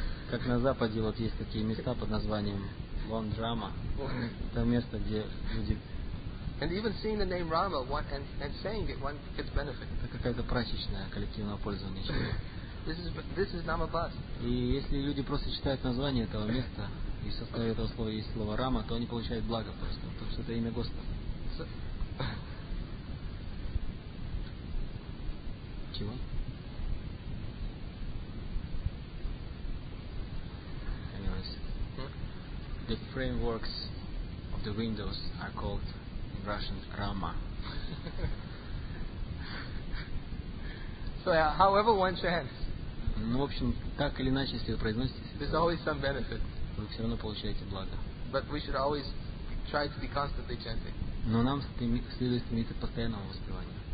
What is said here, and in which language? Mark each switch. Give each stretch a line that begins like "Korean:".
Russian: Как на Западе вот есть такие места под названием Лондрама. Это место, где люди.
English: And even seeing the name Rama and saying it, one gets benefit.
Russian: Это какая-то прачечная коллективного пользования.
English: This is Namabas.
Russian: И если люди просто читают название этого места и в составе этого слова есть слово Рама, то они получают благо просто, потому что это имя Господа. Чего?
English: Anyways, the frameworks of the windows are called in Russian Rama. So, however one chants.
Russian: Ну, в общем, так или иначе, если вы произносите,
English: there's always some benefit.
Russian: Вы все равно получаете благо.
English: But we should always try to be constantly chanting.
Russian: Но нам следует стремиться к постоянному воспеванию.